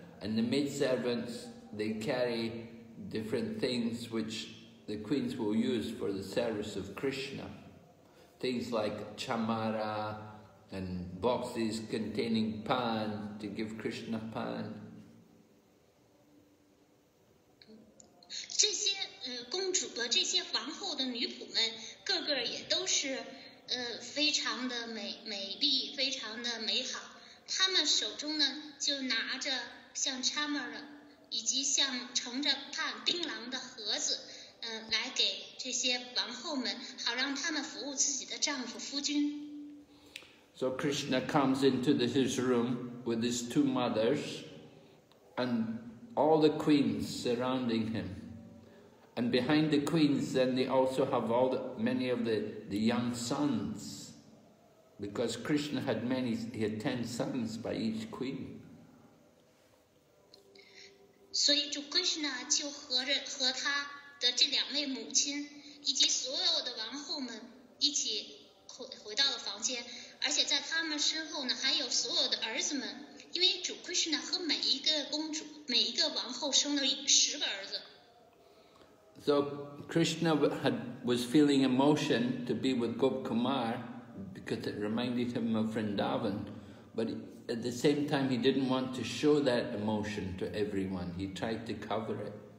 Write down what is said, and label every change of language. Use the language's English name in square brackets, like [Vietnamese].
[English] And the maidservants, they carry different things which the queens will use for the service of Krishna. Things like chamara, and boxes containing pan to give Krishna pan. [Chinese] 这些公主的这些皇后的女仆们个个也都是非常的美丽非常的美好，她们手中呢就拿着像 chamar 以及像盛着盼槟榔的盒子来给这些王后们，好让她们服务自己的丈夫夫君。 [English] So Krishna comes into his room with his two mothers and all the queens surrounding him, and behind the queens then they also have all the, many of the young sons, because Krishna had many, he had 10 sons by each queen. [Chinese] 所以主 Krishna 就和他的这两位母亲以及所有的王后们一起 回到了房间，而且在他们身后呢还有所有的儿子们，因为主 Krishna 和每一个公主每一个王后生了十个儿子。 [English] So Krishna was feeling emotion to be with Gop Kumar because it reminded him of Vrindavan, butAt the same time, he didn't want to show that emotion to everyone. He tried to cover it.